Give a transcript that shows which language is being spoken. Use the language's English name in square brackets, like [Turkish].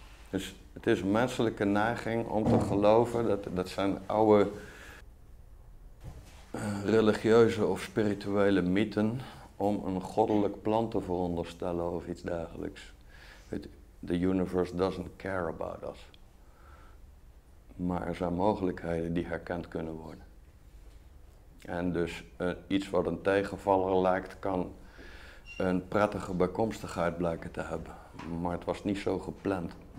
[Dutch] Dus het is een menselijke neiging om te geloven, dat zijn oude religieuze of spirituele mythen, om een goddelijk plan te veronderstellen of iets dergelijks. [English] The universe doesn't care about us. [Dutch] Maar er zijn mogelijkheden die herkend kunnen worden. En dus iets wat een tegenvaller lijkt, kan een prettige bijkomstigheid blijken te hebben. Maar het was niet zo gepland.